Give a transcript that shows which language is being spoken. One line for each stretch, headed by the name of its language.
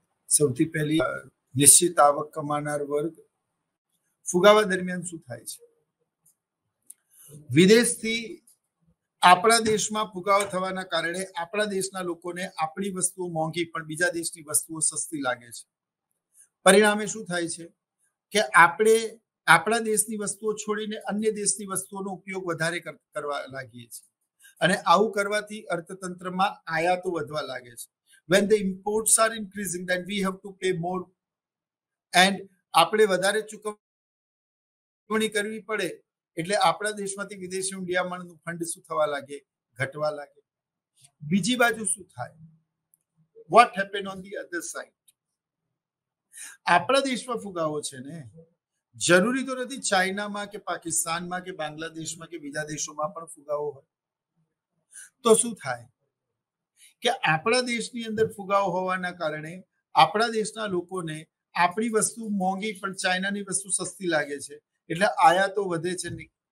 Gujarati: સૌથી પહેલી નિશ્ચિત આવક કમાનાર વર્ગ. ફુગાવા દરમિયાન શું થાય છે, વિદેશથી આપણા દેશમાં ફુગાવો થવાના કારણે આપણા દેશના લોકોને આપણી વસ્તુઓ મોંઘી પણ બીજા દેશની વસ્તુઓ સસ્તી લાગે છે. પરિણામે શું થાય છે કે આપણે આપણા દેશની વસ્તુઓ છોડીને અન્ય દેશની વસ્તુઓનો ઉપયોગ વધારે કરવા લાગીએ છીએ અને આવું કરવાથી અર્થતંત્રમાં આયાતો વધવા લાગે છે.
English: When the imports are increasing, then we have to pay more.
Gujarati: And આપણે વધારે ચૂકવણી કરવી પડે એટલે આપણા દેશમાંથી વિદેશી હુંડિયામણનું ફંડ શું થવા લાગે, ઘટવા લાગે. બીજી બાજુ શું થાય,
English: What happened on the other side?
Gujarati: આપણા દેશમાં ફુગાવો છે ને, જરૂરી તો નથી ચાઇનામાં કે પાકિસ્તાનમાં કે બાંગ્લાદેશમાં કે બીજા દેશોમાં પણ ફુગાવો હોય. તો શું થાય કે આપણા દેશની અંદર ફુગાવો હોવાના કારણે આપણા દેશના લોકોને આપણી વસ્તુ મોંઘી પણ ચાઇનાની વસ્તુ સસ્તી લાગે છે એટલે આયાતો વધે છે.